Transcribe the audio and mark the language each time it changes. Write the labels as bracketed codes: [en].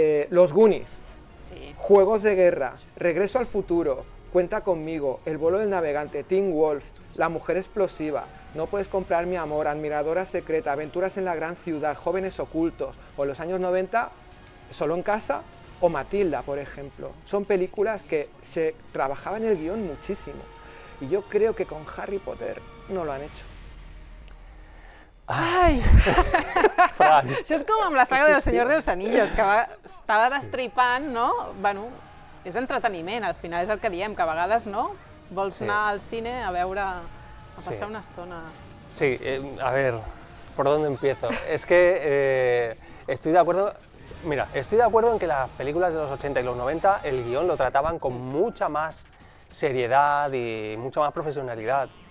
[es] Los Goonies, sí. Juegos de Guerra, Regreso al Futuro, Cuenta conmigo, El Vuelo del Navegante, Teen Wolf, La Mujer Explosiva, No Puedes Comprar Mi Amor, Admiradora Secreta, Aventuras en la Gran Ciudad, Jóvenes Ocultos, o los años 90, Solo en Casa, o Matilda, por ejemplo. Son películas que se trabajaba en el guión muchísimo. Y yo creo que con Harry Potter no lo han hecho. ¡Ay! [ca] Això és com amb la saga del Senyor dels Anillos, que estava destripant, no? Bueno, és entreteniment, al final és el que diem, que a vegades, no? Vols anar al cine a veure, a passar una estona. [es] Sí, a ver, ¿por dónde empiezo? Es que estoy de acuerdo... Mira, estoy de acuerdo en que las películas de los 80 y los 90 el guión lo trataban con mucha más seriedad y mucha más profesionalidad.